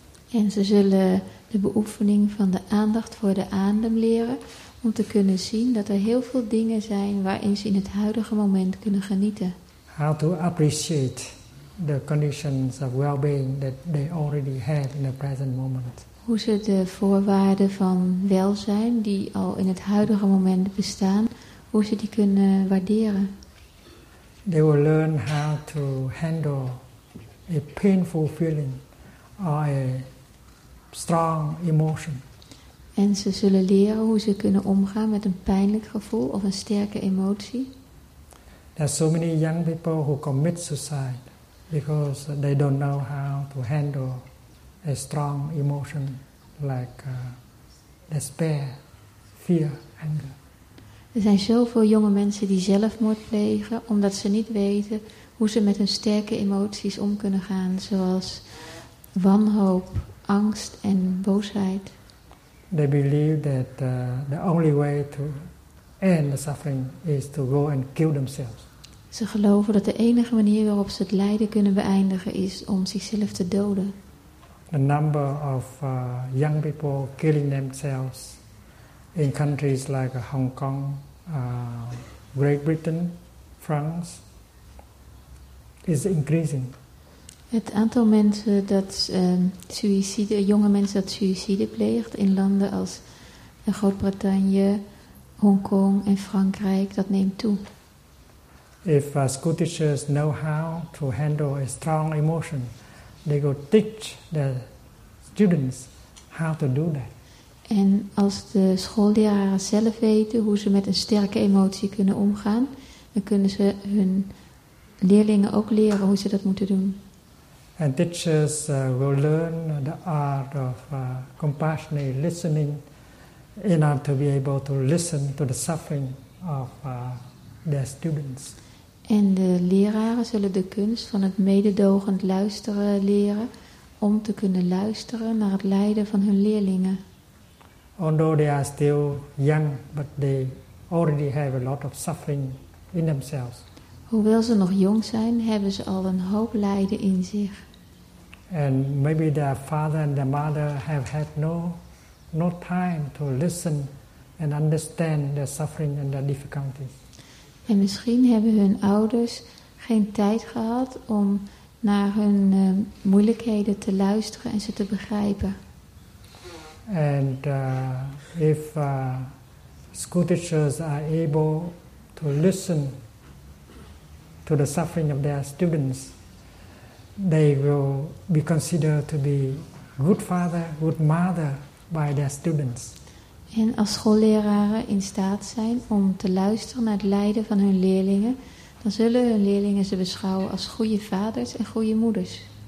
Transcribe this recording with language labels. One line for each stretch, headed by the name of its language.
Dutch: En ze zullen de beoefening van de aandacht voor de adem leren om te kunnen zien dat er heel veel dingen zijn waarin ze in het huidige moment kunnen genieten.
English: How to appreciate the conditions of well-being that they already have in the present moment.
Dutch: Hoe ze de voorwaarden van welzijn die al in het huidige moment bestaan, hoe ze die kunnen waarderen.
English: They will learn how to handle a painful feeling or a strong emotion.
Dutch: En ze zullen leren hoe ze kunnen omgaan met een pijnlijk gevoel of een sterke emotie.
English: There are so many young people who commit suicide because they don't know how to handle a strong emotion like despair, fear, anger.
Dutch: Er zijn zoveel jonge mensen die zelfmoord plegen omdat ze niet weten hoe ze met hun sterke emoties om kunnen gaan, zoals wanhoop, angst en boosheid.
English: They believe that the only way to end the suffering is to go and kill themselves.
Dutch: Ze geloven dat de enige manier waarop ze het lijden kunnen beëindigen is om zichzelf te doden.
English: The number of young people killing themselves in countries like Hong Kong, Great Britain, France is increasing.
Dutch: Het aantal mensen dat jonge mensen dat suïcide pleegt in landen als Groot-Brittannië, Hongkong en Frankrijk, dat neemt toe.
English: If school teachers know how to handle a strong emotion, they go teach the students how to do that.
Dutch: En als de schoolleraren zelf weten hoe ze met een sterke emotie kunnen omgaan, dan kunnen ze hun leerlingen ook leren hoe ze dat moeten doen.
English: And teachers will learn the art of compassionate listening in order to be able to listen to the suffering of their students.
Dutch: En de leraren zullen de kunst van het mededogend luisteren leren om te kunnen luisteren naar het lijden van hun leerlingen.
English: Although they are still young, but they already have a lot of suffering in themselves.
Dutch: Hoewel ze nog jong zijn, hebben ze al een hoop lijden in zich.
English: And maybe their father and their mother have had no time to listen and understand their suffering and their difficulties.
Dutch: En misschien hebben hun ouders geen tijd gehad om naar hun moeilijkheden te luisteren en ze te begrijpen.
English: And if school teachers are able to listen to the suffering of their students, they will be considered to be good father, good mother by their students.
Dutch: En als schoolleraren in staat zijn om te luisteren naar het lijden van hun leerlingen, dan zullen hun leerlingen ze beschouwen als goede vaders en goede moeders.